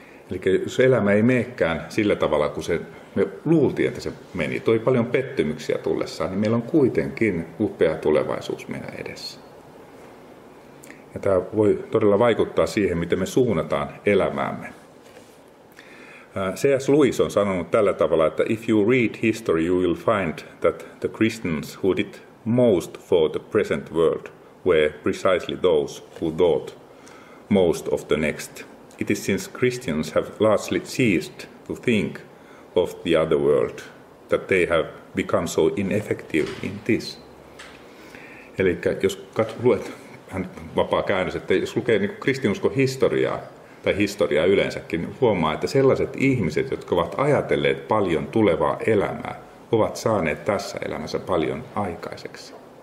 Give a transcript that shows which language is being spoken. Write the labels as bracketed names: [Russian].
[Finnish] Eli jos elämä ei meekään sillä tavalla, kun se, me luultiin, että se meni, toi paljon pettymyksiä tullessaan, niin meillä on kuitenkin upea tulevaisuus meidän edessä. Ja tämä voi todella vaikuttaa siihen, miten me suunnataan elämäämme. C.S. [English] Lewis [Finnish] on sanonut tällä tavalla, että [English] if you read history, you will find that the Christians who did most for the present world were precisely those who thought most of the next. It is since Christians have largely ceased to think of the other world that they have become so ineffective in this. [Finnish] Eli jos luet hän vapaa käännös, että jos lukee niin kristinuskon historiaa tai historiaa yleensäkin, niin huomaa, että sellaiset ihmiset, jotka ovat ajatelleet paljon tulevaa elämää, ovat saaneet tässä elämässä paljon aikaiseksi.